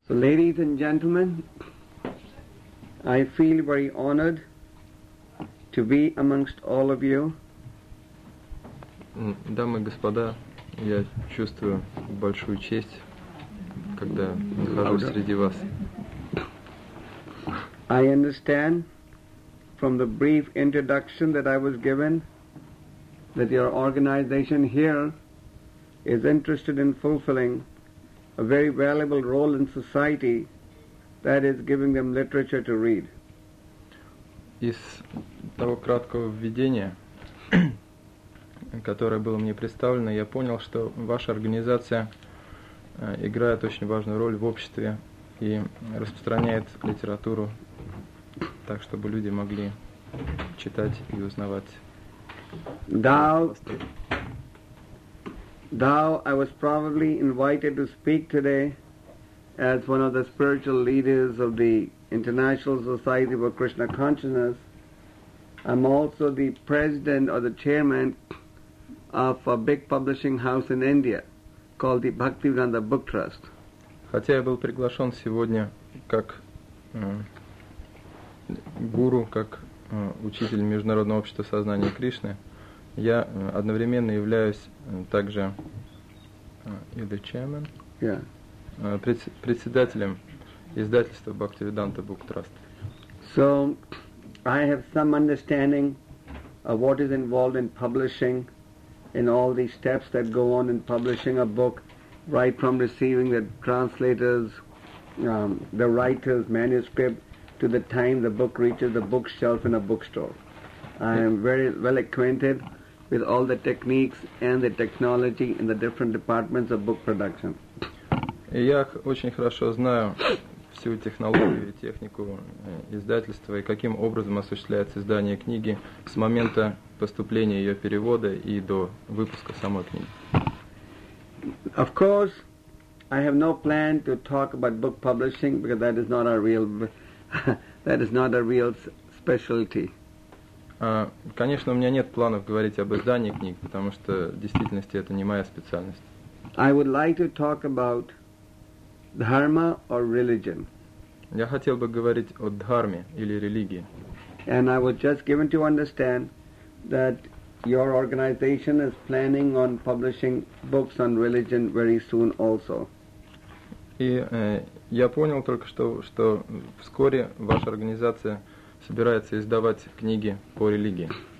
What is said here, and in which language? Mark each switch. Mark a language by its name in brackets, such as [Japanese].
[English] So, ladies and gentlemen, I feel very honored to be amongst all of you. [Russian] Дамы и господа, я чувствую большую честь, когда нахожусь среди вас. [English] I understand from the brief introduction that I was given that your organization here is interested in fulfilling a very valuable role in society, that is giving them literature to read. [Russian] Из того краткого введения, которое было мне представлено, я понял, что ваша организация играет очень важную роль в обществе и распространяет литературу так, чтобы люди могли читать и узнавать. [English] Now I was probably invited to speak today as one of the spiritual leaders of the International Society for Krishna Consciousness. I'm also the president or the chairman of a big publishing house in India called the Bhaktivedanta Book Trust. [Russian] Хотя я был приглашен сегодня как гуру, как учитель Международного общества сознания Кришны, я одновременно являюсь также или chairman, председателем издательства Bhaktivedanta Book Trust. [English] So, I have some understanding of what is involved in publishing, in all these steps that go on in publishing a book, right from receiving the translators, the writer's manuscript, to the time the book reaches the bookshelf in a bookstore. I am very well acquainted with all the techniques and the technology in the different departments of book production. [Russian] Я очень хорошо знаю всю технологию, технику издательства и каким образом осуществляется издание книги с момента поступления ее перевода и до выпуска самой книги. [English] Of course, I have no plan to talk about book publishing because that is not our real specialty. [Russian] Конечно, у меня нет планов говорить об издании книг, потому что в действительности это не моя специальность. [English] I would like to talk about dharma or religion. [Russian] Я хотел бы говорить о дхарме или религии. [English] And I was just given to understand that your organization is planning on publishing books on religion very soon also. [Russian] И я понял только что вскоре ваша организация собирается издавать книги по религии.